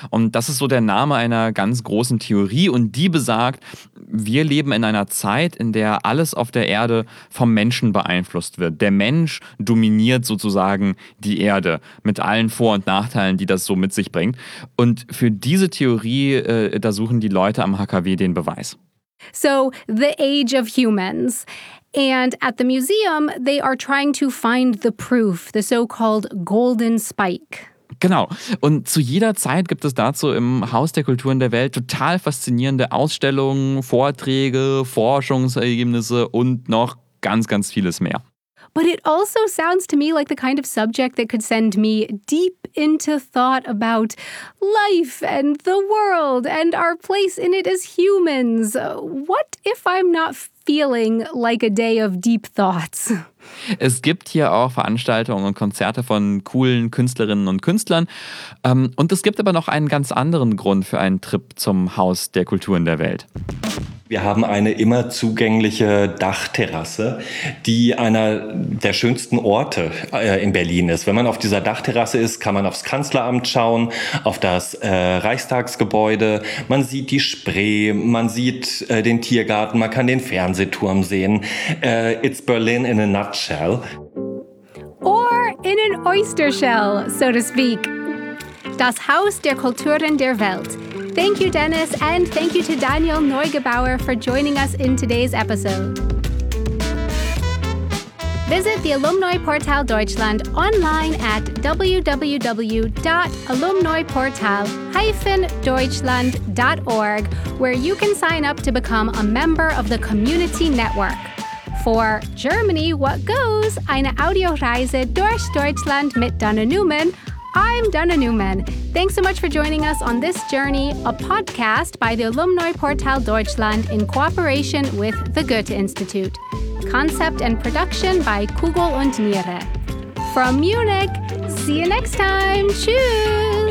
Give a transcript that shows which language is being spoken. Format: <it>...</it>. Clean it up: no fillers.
<de>Und das ist so der Name einer ganz großen Theorie. Und die besagt, wir leben in einer Zeit, in der alles auf der Erde vom Menschen beeinflusst wird. Der Mensch dominiert sozusagen die Erde mit allen Vor- und Nachteilen, die das so mit sich bringt. Und für diese Theorie, da suchen die Leute am HKW den Beweis.</de> <en>So, the age of humans. And at the museum, they are trying to find the proof, the so-called golden spike.</en> <de>Genau. Und zu jeder Zeit gibt es dazu im Haus der Kulturen der Welt total faszinierende Ausstellungen, Vorträge, Forschungsergebnisse und noch ganz, ganz vieles mehr.</de> <en>But it also sounds to me like the kind of subject that could send me deep into thought about life and the world and our place in it as humans. What if I'm not feeling like a day of deep thoughts?</en> <de>Es gibt hier auch Veranstaltungen und Konzerte von coolen Künstlerinnen und Künstlern. Und es gibt aber noch einen ganz anderen Grund für einen Trip zum Haus der Kulturen der Welt. Wir haben eine immer zugängliche Dachterrasse, die einer der schönsten Orte in Berlin ist. Wenn man auf dieser Dachterrasse ist, kann man aufs Kanzleramt schauen, auf das Reichstagsgebäude. Man sieht die Spree, man sieht den Tiergarten, man kann den Fernsehturm sehen.</de> <en>It's Berlin in a nutshell. Or in an oyster shell, so to speak.</en> <de>Das Haus der Kulturen der Welt.</de> <en>Thank you, Dennis, and thank you to Daniel Neugebauer for joining us in today's episode. Visit the Alumni Portal Deutschland online at www.alumniportal-deutschland.org, where you can sign up to become a member of the community network. For Germany, what goes?</en> <de>Eine Audioreise durch Deutschland mit Dana Newman.</de> <en>I'm Dana Newman. Thanks so much for joining us on this journey, a podcast by the Alumni Portal Deutschland in cooperation with the Goethe-Institut. Concept and production by Kugel und Niere. From Munich, see you next time.</en> <de>Tschüss!</de>